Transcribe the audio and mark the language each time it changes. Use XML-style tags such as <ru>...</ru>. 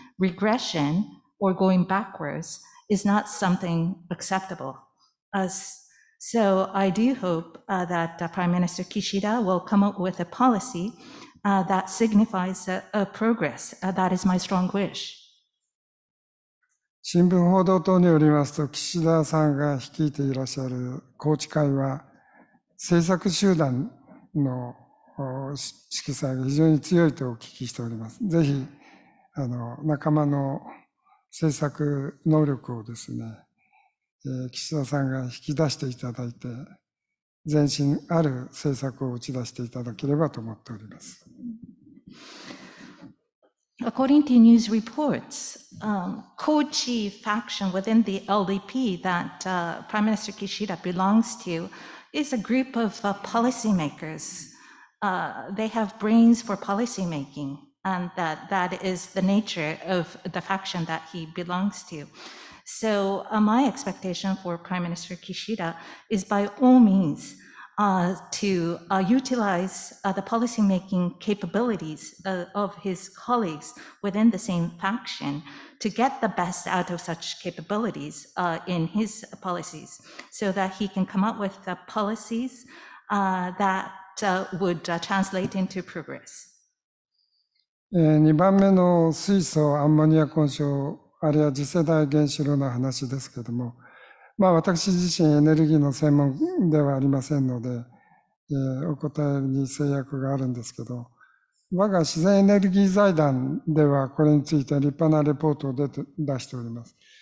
<en>Regression or going backwards is not something acceptable. So I do hope that Prime Minister Kishida will come up with a policy that signifies a progress. That is my strong wish.</en> <ja>新聞報道等によりますと、岸田さんが率いていらっしゃる宏池会は、政策集団の色彩が非常に強いとお聞きしております。ぜひ、仲間の政策能力をですね、岸田さんが引き出していただいて、前進ある政策を打ち出していただければと思っております。</ja> <en>According to news reports, Kochi faction within the LDP that Prime Minister Kishida belongs to is a group of policymakers. They have brains for policymaking, and that is the nature of the faction that he belongs to. So my expectation for Prime Minister Kishida is by all means to utilize the policymaking capabilities of his colleagues within the same faction to get the best out of such capabilities in his policies so that he can come up with the policies that would translate into progress.</en> <ja>2番目の水素アンモニア混焼あるいは次世代原子炉の話ですけれども、まあ、私自身エネルギーの専門ではありませんので、お答えに制約があるんですけど、我が自然エネルギー財団ではこれについて立派なレポートを出しております。</ja>